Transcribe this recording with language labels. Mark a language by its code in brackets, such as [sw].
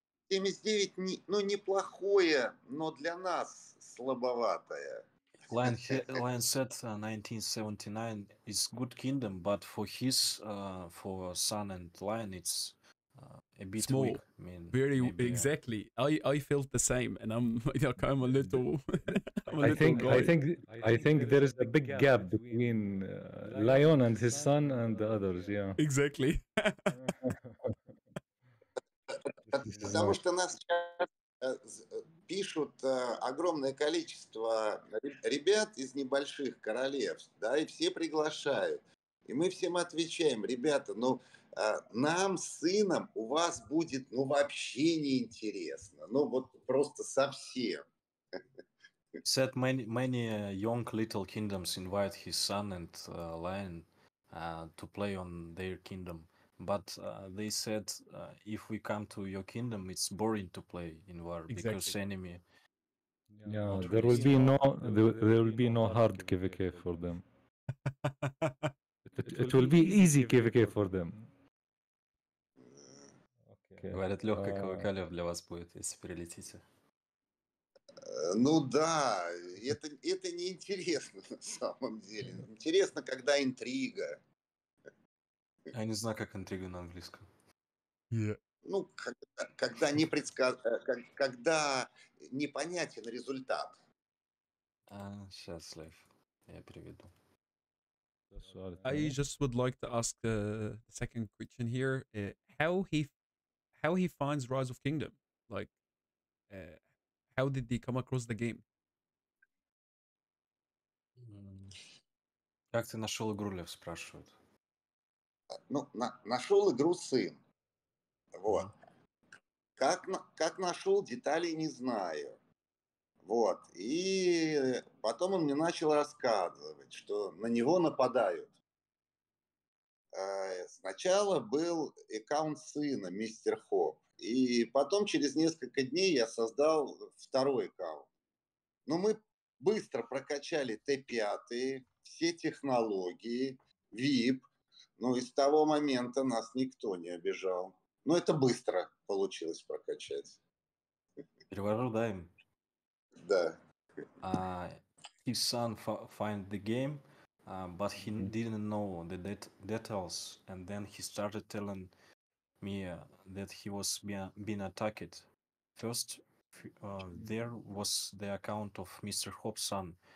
[ru] Неплохое, но для нас слабоватое. [en] Lion said 1979 is good kingdom, but for his, for Sun and Lion, it's a bit small. Weak. I mean, very maybe, exactly. Yeah. I felt the same, and I'm a little. I think there is a big gap between Lion and his son and the others. Yeah. Exactly. [ru] Потому что нас сейчас пишут огромное количество ребят из небольших королевств, да, и все приглашают. И мы всем отвечаем, ребята, ну, нам, сынам, у вас будет, ну, вообще неинтересно. Ну, вот просто совсем. [en] Said many young little kingdoms invite his son and Lion to play on their kingdom. But they said, if we come to your kingdom, it's boring to play in war exactly. Because enemy. Yeah, there will be no hard KvK for them. it will be easy KvK for them. [ru] Говорят, легкая КВК для вас будет, если прилетите. Ну да, это не интересно на самом деле. Интересно, когда интрига. Я не знаю, как интрига на английском. [en] Yeah. [ru] Ну, когда когда непонятен результат. Сейчас, Лев, я переведу. [en] I just would like to ask the second question here. How he finds Rise of Kingdom? Like, how did he come across the game? [ru] Как ты нашел игру, Лев, спрашивают. Ну, нашел игру сын. Вот. Как нашел, деталей не знаю. Вот. И потом он мне начал рассказывать, что на него нападают. Сначала был аккаунт сына, Mr.Hope. И потом через несколько дней я создал второй аккаунт. Но мы быстро прокачали Т5, все технологии, VIP. Ну, и с того момента нас никто не обижал. Но это быстро получилось прокачать. Переворот, да? Да. [en] His son find the game, but he didn't know the details. And then he started telling me that he was being attacked. First, there was the account of Mr.Hope's son.